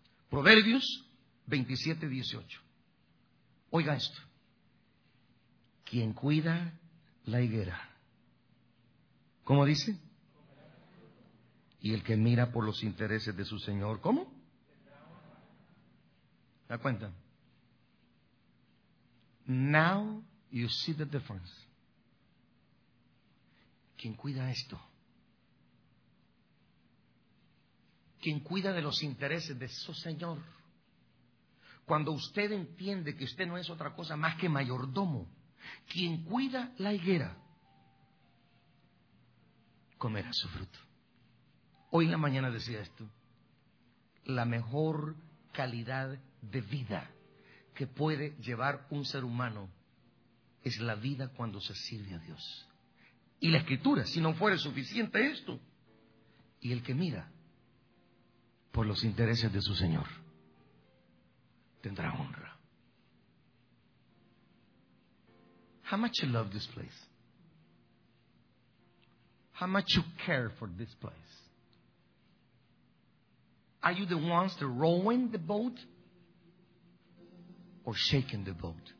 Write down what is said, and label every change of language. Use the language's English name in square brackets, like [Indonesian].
[Spanish] Proverbios 27, 18. Oiga esto. Quien cuida la higuera, ¿cómo dice? Y el que mira por los intereses de su señor, ¿cómo? ¿Da cuenta? [English] Now you see the difference. [Spanish] ¿Quién cuida esto? ¿Quién cuida de los intereses de su señor? Cuando usted entiende que usted no es otra cosa más que mayordomo, ¿quién cuida la higuera? Comerá su fruto. Hoy en la mañana decía esto: la mejor calidad de vida que puede llevar un ser humano es la vida cuando se sirve a Dios. Y la Escritura, si no fuera suficiente esto, y el que mira por los intereses de su Señor tendrá honra. [English] How much you love this place? How much you care for this place? Are you the ones that rowing the boat or shaking the boat?